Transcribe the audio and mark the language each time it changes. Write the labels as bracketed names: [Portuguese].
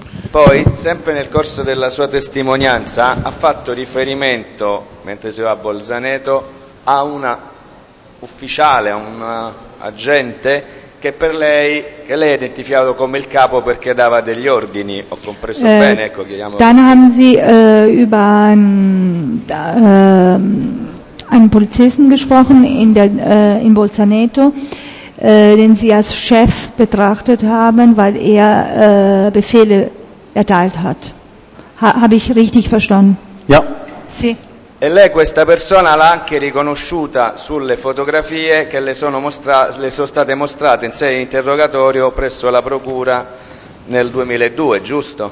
[Italian] Poi, sempre nel corso della sua testimonianza, ha fatto riferimento, mentre si va a Bolzaneto, a una ufficiale, a un agente che lei ha identificato come il capo perché dava degli ordini, ho compreso bene, ecco, chiediamo. [German] Dann haben Sie über einen Polizisten gesprochen in Bolzaneto, den Sie als Chef betrachtet haben, weil er Befehle erteilt hat. Habe ich richtig verstanden? Ja. [Italian] Sì. E lei questa persona l'ha anche riconosciuta sulle fotografie che le sono state mostrate in sede di interrogatorio presso la procura nel 2002, giusto?